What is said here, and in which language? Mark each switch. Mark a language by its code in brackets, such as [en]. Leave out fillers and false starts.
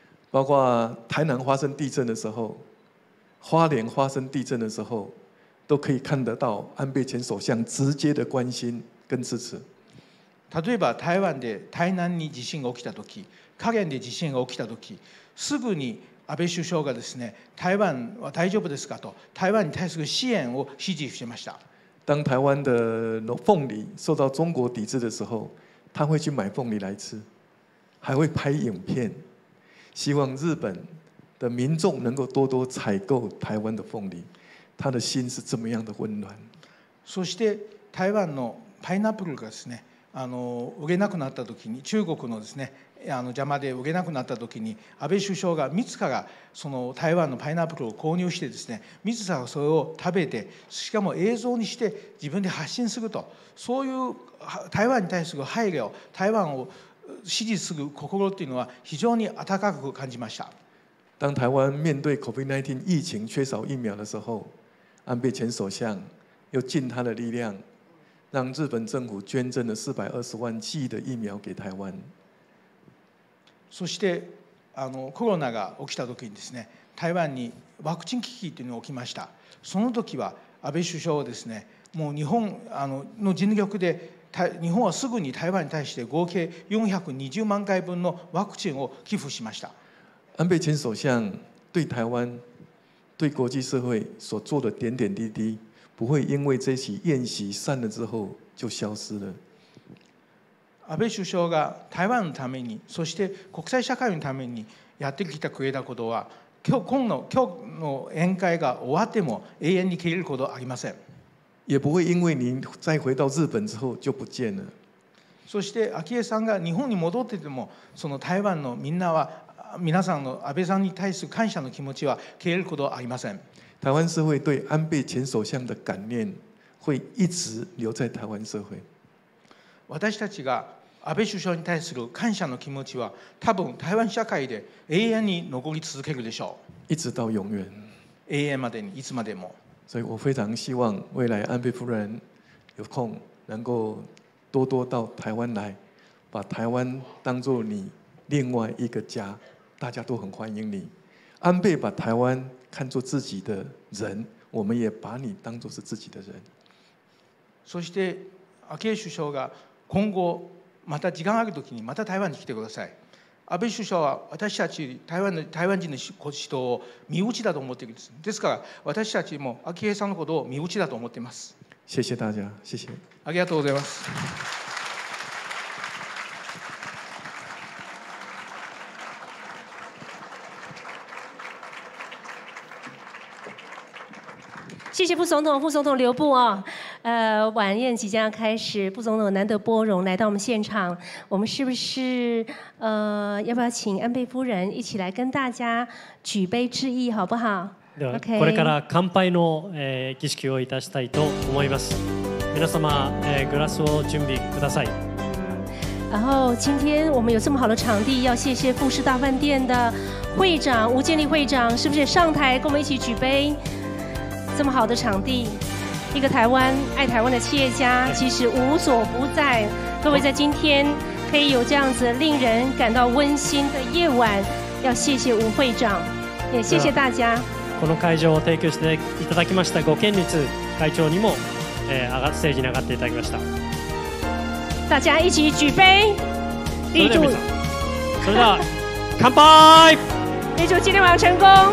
[zh] 包括台南发生地震的时候、花莲发生地震的时候、都可以看得到安倍前首相直接的关心跟支持。 [ja] 例えば台湾で台南に地震が起きたとき、花蓮で地震が起きたとき、すぐに安倍首相がですね、台湾は大丈夫ですかと台湾に対する支援を指示しました。 [zh] 当台湾的凤梨受到中国抵制的时候，他会去买凤梨来吃，还会拍影片，希望日本的民众能够多多采购台湾的凤梨，他的心是这么样的温暖。 [ja] そして台湾のパイナップルがですね、売れなくなった時に中国のですね。邪魔で売れなくなったときに、安倍首相が自らその台湾のパイナップルを購入してですね、自らそれを食べて、しかも映像にして自分で発信すると、そういう台湾に対する配慮、台湾を支持する心っていうのは非常に温かく感じました。 [zh] 当台湾面对 COVID-19 疫情缺少疫苗的时候，安倍前首相又尽他的力量，让日本政府捐赠了420万剂的疫苗给台湾。 [ja] そしてコロナが起きたときにですね、台湾にワクチン危機というのが起きました。その時は安倍首相はですね、もう日本の尽力で日本はすぐに台湾に対して合計420万回分のワクチンを寄付しました。 [zh] 安倍前首相对台湾、对国际社会所做的点点滴滴，不会因为这起宴席散了之后就消失了。 [ja] 安倍首相が台湾のために、そして国際社会のためにやってきてくれたことは、今日の宴会が終わっても永遠に消えることはありません。 [zh] 也不会因为您再回到日本之后就不见了。 [ja] そして昭恵さんが日本に戻ってても、その台湾のみんなは皆さんの安倍さんに対する感謝の気持ちは消えることはありません。 [zh] 台湾社会对安倍前首相的感念会一直留在台湾社会。 [ja] 私たちが安倍首相に対する感謝の気持ちは多分台湾社会で永遠に残り続けるでしょう。 [zh] 一直到永远。 [ja] 永遠までにいつまでも。 [zh] 所以我非常希望未来安倍夫人有空能够多多到台湾来，把台湾当作你另外一个家，大家都很欢迎你。安倍把台湾看作自己的人，我们也把你当作是自己的人。 [ja] そして昭恵首相が今後また時間あるときにまた台湾に来てください。安倍首相は私たち台湾人の人を身内だと思っているんです。ですから私たちも昭恵さんのことを身内だと思っています。 [zh] 谢谢大家，谢谢。 [ja] ありがとうございます。 [zh] 谢谢副总统，副总统留步啊。晚宴即将开始，副总统难得拨冗来到我们现场，我们是不是要不要请安倍夫人一起来跟大家举杯致意，好不好？ [ja] ではこれから乾杯の儀式をいたしたいと思います。皆様、グラスを準備ください。 [zh] 然后今天我们有这么好的场地，要谢谢富士大饭店的会长吴建立会长，是不是上台跟我们一起举杯？这么好的场地，一个台湾爱台湾的企业家，其实无所不在。各位在今天可以有这样子令人感到温馨的夜晚，要谢谢吴会长，也谢谢大家。 [ja] この会場を提供していただきましたご県立会長にも、ステージに上がっていただきました。 [zh] 大家一起举杯， [ja] 立住。それでは乾杯。 [zh] 立住，今天晚上成功。